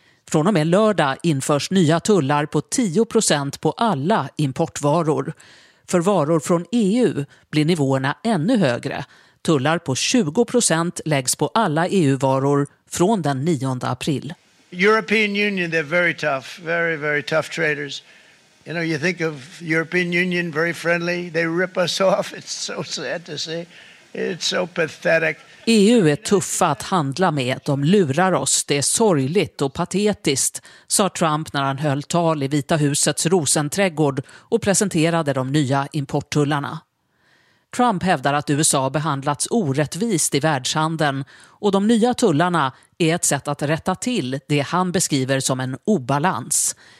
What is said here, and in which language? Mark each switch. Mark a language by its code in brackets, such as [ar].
[sv] Från och med lördag införs nya tullar på 10% på alla importvaror. För varor från EU blir nivåerna ännu högre. Tullar på 20% läggs på alla EU-varor från den 9 april. [en] European Union, they're very tough, very, very tough traders. You know, you think of European Union, very friendly, they rip us off. It's so sad to see. It's so pathetic. [sv] EU är tuffa att handla med. De lurar oss. Det är sorgligt och patetiskt, sa Trump när han höll tal i Vita husets rosenträdgård och presenterade de nya importtullarna. Trump hävdar att USA behandlats orättvist i världshandeln, och de nya tullarna är ett sätt att rätta till det han beskriver som en obalans.